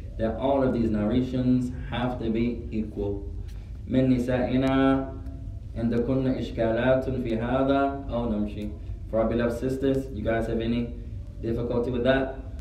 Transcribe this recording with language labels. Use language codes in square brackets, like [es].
[en] That all of these narrations have to be equal. [ar] من نسائنا عندكن إشكالات في هذا أو نمشي. [en] For our beloved sisters, you guys have any difficulty with that?